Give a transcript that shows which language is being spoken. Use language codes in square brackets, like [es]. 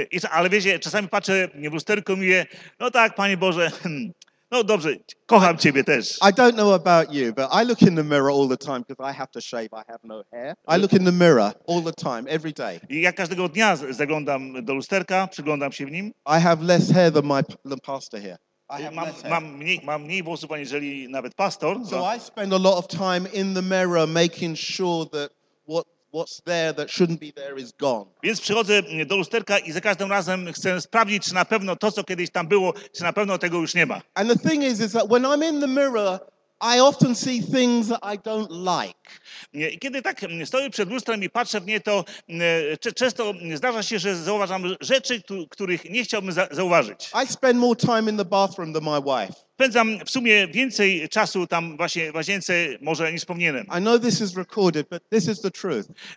[pl] Ale wiecie, czasami patrzę w lusterko i mówię, no tak, Panie Boże, no dobrze, kocham Ciebie też. [en] I don't know about you, but I look in the mirror all the time because I have to shave, I have no hair. I look in the mirror all the time, every day. [pl] I ja każdego dnia zaglądam do lusterka, przyglądam się w nim. [en] I have less hair than my pastor here. [pl] Mam mniej włosów, aniżeli nawet pastor. [en] So I spend a lot of time in the mirror making sure that what's there that shouldn't be there is gone. [pl] Więc przychodzę do lusterka i za każdym razem chcę sprawdzić, czy na pewno to, co kiedyś tam było, czy na pewno tego już nie ma. [en] And the thing is that when I'm in the mirror, I often see things that I don't like. [pl] I kiedy tak stoję przed lustrem i patrzę w nie, to często zdarza się, że zauważam rzeczy, których nie chciałbym zauważyć. [en] I spend more time in the bathroom than my wife. [pl] Spędzam w sumie więcej czasu tam właśnie w łazience, może niż wspomnienem. [en] I know this is recorded, but this is the truth.